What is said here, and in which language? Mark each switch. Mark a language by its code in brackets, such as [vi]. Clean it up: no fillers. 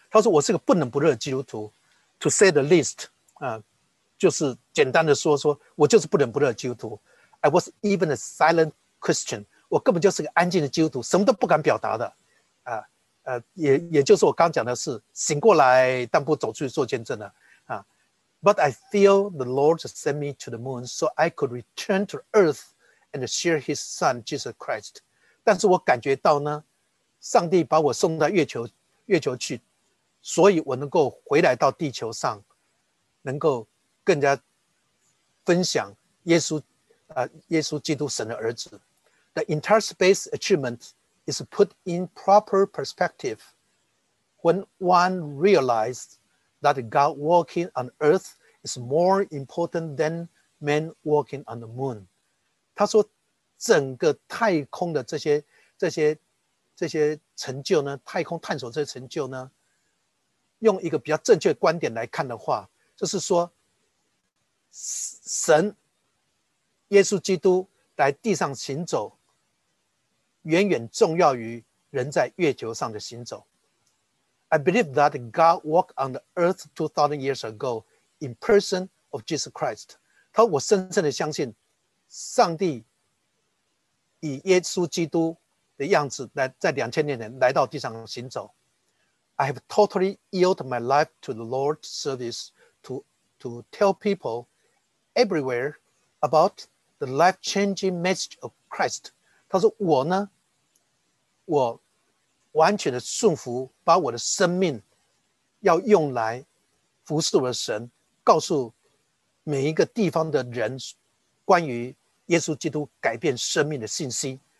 [zh] 他说我是个不冷不热的基督徒， [en] to say the least, [zh] 就是简单的说我就是不冷不热的基督徒。 [en] I was even a silent Christian. [zh] 我根本就是个安静的基督徒，什么都不敢表达的，也就是我刚讲的是醒过来但不走出去做见证了啊。 [en] But I feel the Lord sent me to the moon so I could return to earth and share his son Jesus Christ. [zh] 但是我感觉到呢，上帝把我送到月球去，所以我能够回来到地球上，能够更加分享耶稣基督神的儿子。 [en] The entire space achievement is put in proper perspective when one realizes that God walking on earth is more important than man walking on the moon. [zh] 他说整个太空的这些成就呢，太空探索这些成就呢，用一个比较正确的观点来看的话，就是说神耶稣基督来地上行走远远重要于人在月球上的行走。 [en] I believe that God walked on the earth 2,000 years ago in person of Jesus Christ. [zh] 他说我深深的相信上帝以耶稣基督的样子来在2000年前来到地上行走。 [en] I have totally yielded my life to the Lord's service to tell people everywhere about the life-changing message of Christ. [zh] 他说我呢，我完全的顺服，把我的生命要用来服侍我的神，告诉每一个地方的人关于耶稣基督改变生命的信息。